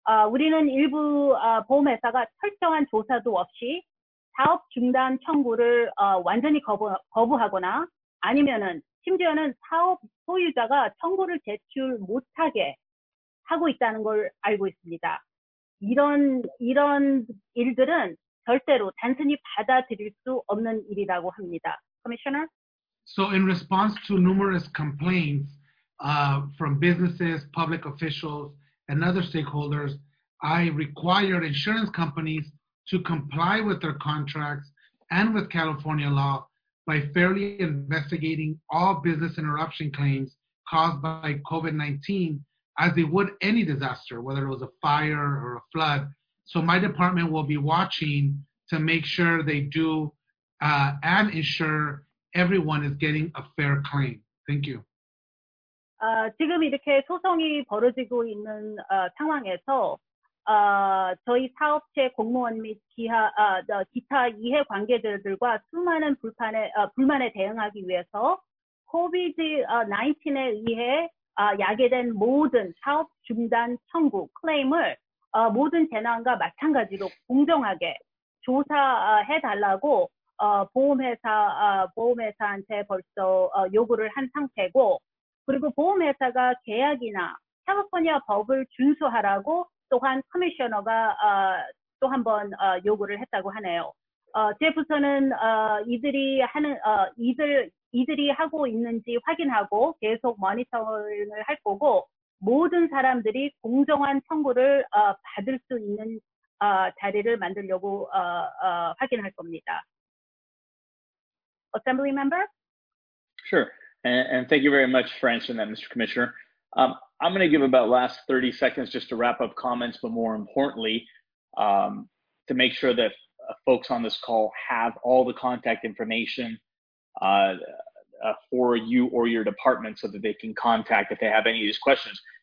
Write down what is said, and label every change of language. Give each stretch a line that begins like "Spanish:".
Korean: 우리는 일부 보험회사가 철저한 조사도 없이 사업 중단 청구를 완전히 거부하거나 아니면은 심지어는 사업 소유자가 청구를 제출 못하게 하고 있다는 걸 알고 있습니다. 이런 일들은 절대로 단순히 받아들일 수 없는 일이라고 합니다.
English: Commissioner? So in response to numerous complaints from businesses, public officials, and other stakeholders, I required insurance companies to comply with their contracts and with California law by fairly investigating all business interruption claims caused by COVID-19 as they would any disaster, whether it was a fire or a flood. So my department will be watching to make sure they do and ensure everyone is getting a fair claim. Thank you.
Korean: 지금 이렇게 소송이 벌어지고 있는 상황에서 저희 사업체 공무원 및 기타 이해 관계자들과 수많은 불만에 대응하기 위해서 COVID-19에 의해 야기된 모든 사업 중단 청구 클레임을 모든 재난과 마찬가지로 공정하게 조사해 달라고 보험회사한테 벌써 요구를 한 상태고 그리고 보험회사가 계약이나 캘리포니아 법을 준수하라고 또한 커미셔너가 또 한 번 요구를 했다고 하네요. 제 부서는 이들이 하고 있는지 확인하고 계속 모니터링을 할 거고 모든 사람들이 공정한 청구를 받을 수 있는 자리를 만들려고 확인할 겁니다.
English: Assembly member? Sure. And thank you very much for answering that, Mr. Commissioner. I'm going to give about last 30 seconds just to wrap up comments, but more importantly, to make sure that folks on this call have all the contact information for you or your department so that they can contact if they have any of these questions.